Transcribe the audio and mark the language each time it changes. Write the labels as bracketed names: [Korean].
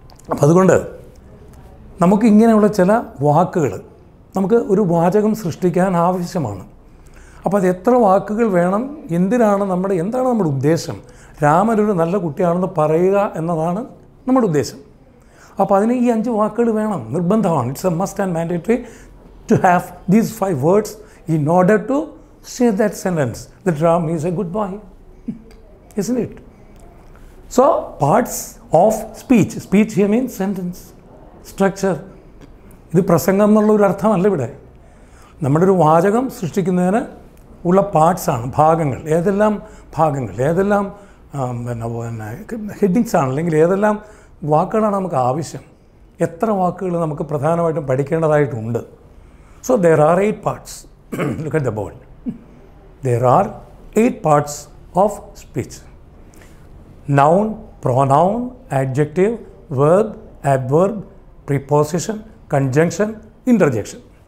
[Malayalam] അപ്പം അതുകൊണ്ട് നമുക്കിങ്ങനെയുള്ള ചില വാക്കുകൾ നമുക്ക് ഒരു വാചകം സൃഷ്ടിക്കാൻ ആവശ്യമാണ്. അപ്പോൾ അത് എത്ര വാക്കുകൾ വേണം, എന്തിനാണ്, നമ്മുടെ എന്താണ് നമ്മുടെ ഉദ്ദേശം? രാമനൊരു നല്ല കുട്ടിയാണെന്ന് പറയുക എന്നതാണ് നമ്മുടെ ഉദ്ദേശം. അപ്പോൾ അതിന് ഈ അഞ്ച് വാക്കുകൾ വേണം, നിർബന്ധമാണ്. [English] It's a must and mandatory to have these five words in order to say that sentence that Ram is a good boy, isn't it? So parts of speech, speech here means sentence structure. [Malayalam] ഇത് പ്രസംഗം എന്നുള്ള ഒരു അർത്ഥമല്ല ഇവിടെ. നമ്മുടെ ഒരു വാചകം സൃഷ്ടിക്കുന്നതിന് ഉള്ള പാർട്സാണ്, ഭാഗങ്ങൾ. ഏതെല്ലാം ഭാഗങ്ങൾ, ഏതെല്ലാം പിന്നെ ഹെഡിങ്സ് ആണ് അല്ലെങ്കിൽ ഏതെല്ലാം വാക്കുകളാണ് നമുക്ക് ആവശ്യം, എത്ര വാക്കുകൾ നമുക്ക് പ്രധാനമായിട്ടും പഠിക്കേണ്ടതായിട്ടുണ്ട്. [English] So there are eight parts. Look at the board. There are eight parts of speech. Noun, pronoun, adjective, verb, adverb, preposition, conjunction, interjection.